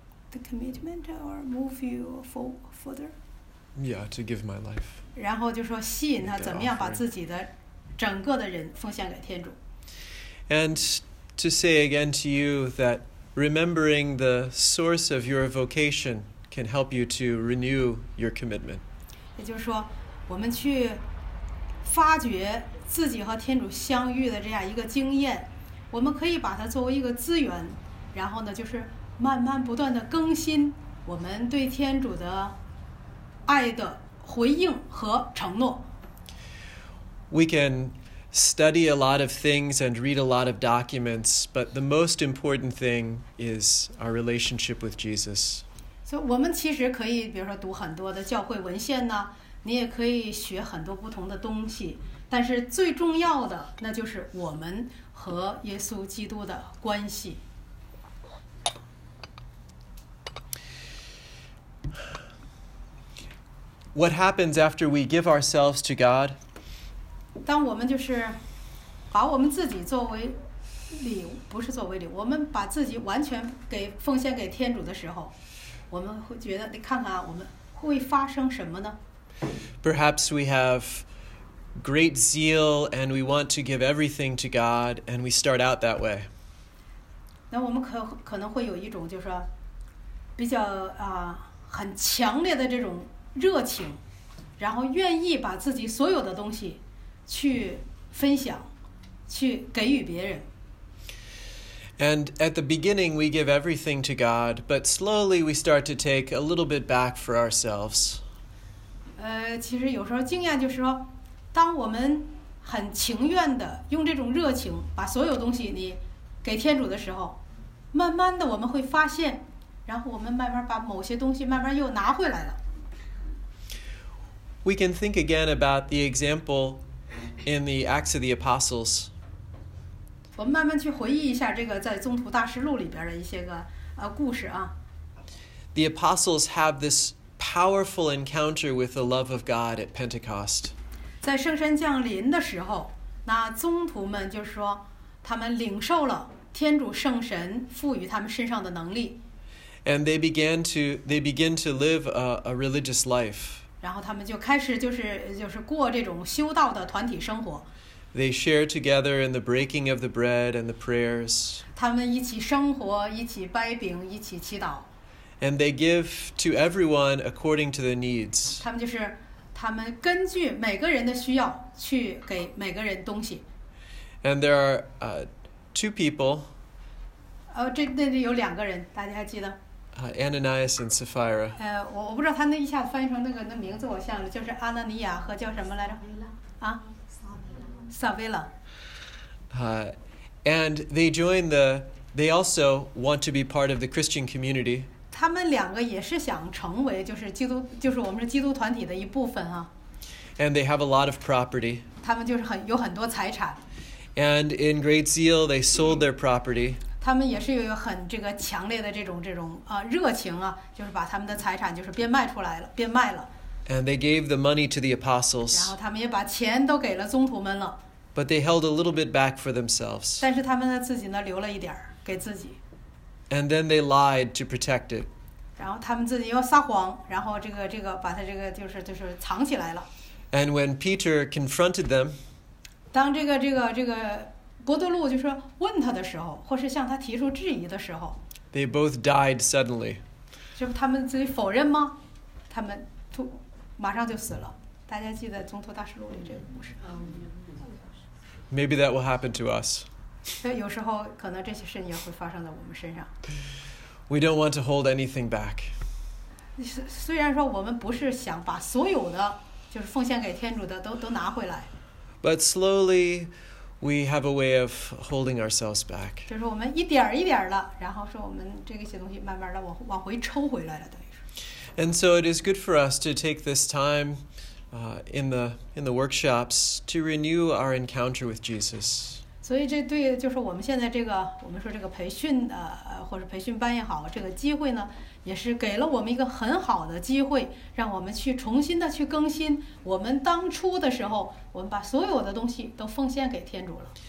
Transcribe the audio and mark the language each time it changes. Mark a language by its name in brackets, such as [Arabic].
[English] The commitment or move you further? Yeah, to give my life. [Chinese] 然后就说吸引他怎么样把自己的整个的人奉献给天主。 [English] And to say again to you that remembering the source of your vocation can help you to renew your commitment. [Chinese] 也就是说，我们去发掘自己和天主相遇的这样一个经验，我们可以把它作为一个资源，然后呢，就是。慢慢不断的更新我们对天主的爱的回应和承诺。 [English] We can study a lot of things and read a lot of documents, but the most important thing is our relationship with Jesus. [Chinese] So, 我们其实可以，比如说读很多的教会文献呢，你也可以学很多不同的东西，但是最重要的那就是我们和耶稣基督的关系。 [English] What happens after we give ourselves to God? [Chinese] 当我们就是把我们自己作为礼物，不是作为礼物，我们把自己完全给奉献给天主的时候，我们会觉得，你看看我们会发生什么呢？ [English] Perhaps we have great zeal and we want to give everything to God and we start out that way. [Chinese] 那我们可能会有一种就是比较很强烈的这种热情，然后愿意把自己所有的东西去分享，去给予别人。 [English] And at the beginning, we give everything to God, but slowly we start to take a little bit back for ourselves. [Chinese] 其实有时候经验就是说，当我们很情愿的用这种热情把所有东西你给天主的时候，慢慢的我们会发现，然后我们慢慢把某些东西慢慢又拿回来了。 [English] We can think again about the example in the Acts of the Apostles. [Chinese] 我们慢慢去回忆一下这个在《宗徒大事录》里边的一些个故事啊。 [English] The apostles have this powerful encounter with the love of God at Pentecost. [Chinese] 在圣神降临的时候，那宗徒们就是说，他们领受了天主圣神赋予他们身上的能力。 [English] And they begin to live a religious life. [Chinese] 然后他们就开始就是过这种修道的团体生活。 [English] They share together in the breaking of the bread and the prayers. [Chinese] 他们一起生活，一起掰饼，一起祈祷。 [English] And they give to everyone according to their needs. [Chinese] 他们根据每个人的需要去给每个人东西。 [English] And there are two people. [Chinese] 那里有两个人，大家还记得？ [English] Ananias and Sapphira. [Chinese] 我不知道他那一下子翻译成那名字，我像就是阿纳尼亚和叫什么来着？啊，撒菲拉。 [English] And they join the. They also want to be part of the Christian community. [Chinese] 他们两个也是想成为就是基督，就是我们是基督团体的一部分啊。 [English] And they have a lot of property. [Chinese] 他们就是有很多财产。 [English] And in great zeal, they sold their property. [Chinese] 他们也是有很这个强烈的这种热情啊，就是把他们的财产就是变卖出来了，变卖了。 [English] And they gave the money to the apostles. [Chinese] 然后他们也把钱都给了宗徒们了。 [English] But they held a little bit back for themselves. [Chinese] 但是他们自己呢留了一点给自己。 [English] And then they lied to protect it. [Chinese] 然后他们自己又撒谎，然后这个把他这个就是藏起来了。 [English] And when Peter confronted them. [Chinese] 当这个伯多禄就说问他的时候，或是向他提出质疑的时候， [English] They both died suddenly. [Chinese] 就他们自己否认吗？他们突马上就死了。大家记得《总统大实录》里这个故事。 [English] Maybe that will happen to us. [Chinese] 所以有时候可能这些事情也会发生在我们身上。 [English] We don't want to hold anything back. [Chinese] 虽然说我们不是想把所有的就是奉献给天主的都拿回来。 [English] But slowly, we have a way of holding ourselves back. [Chinese] 就是我们一点一点的，然后说我们这个些东西慢慢的往回抽回来了，等于是。 [English] And so it is good for us to take this time, in the workshops to renew our encounter with Jesus. [Chinese] 所以这对就是我们现在这个我们说这个培训或者培训班也好，这个机会呢，也是给了我们一个很好的机会，让我们去重新的去更新我们当初的时候，我们把所有的东西都奉献给天主了。